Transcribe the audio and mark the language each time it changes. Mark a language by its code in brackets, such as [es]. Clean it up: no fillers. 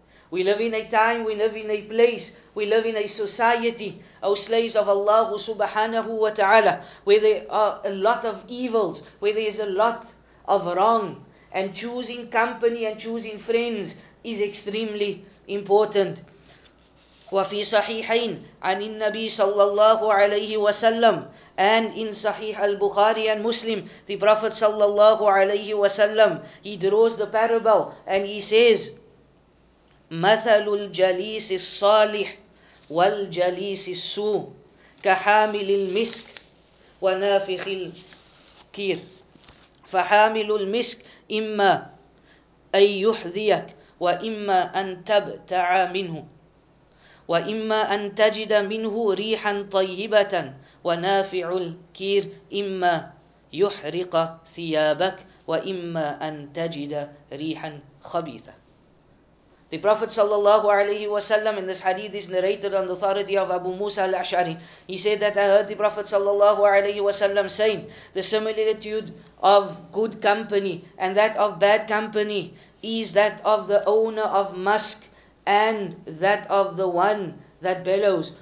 [en] We live in a time, we live in a place, we live in a society, O slaves of Allah subhanahu wa ta'ala, where there are a lot of evils, where there is a lot of wrong, and choosing company and choosing friends is extremely important. [ar] وفي صحيحين عن النبي صلى الله عليه وسلم and in صحيح البخاري [en] and Muslim, the Prophet [ar] صلى الله عليه وسلم, [en] he draws the parable and he says, [ar] مثل الجليس الصالح والجليس السوء كحامل المسك ونافخ الكير فحامل المسك إما أن يحذيك وإما أن تبتع منه وَإِمَّا أَنْ تَجِدَ مِنْهُ رِيحًا طَيِّبَةً وَنَافِعُ الْكِيرِ إِمَّا يُحْرِقَ ثِيَابَكَ وَإِمَّا أَنْ تَجِدَ رِيحًا خَبِيثًا. [en] The Prophet sallallahu alayhi wa sallam, in this hadith is narrated on the authority of Abu Musa al-Ash'ari. He said that I heard the Prophet sallallahu alayhi wa sallam saying, the similitude of good company and that of bad company is that of the owner of musk and that of the one that bellows.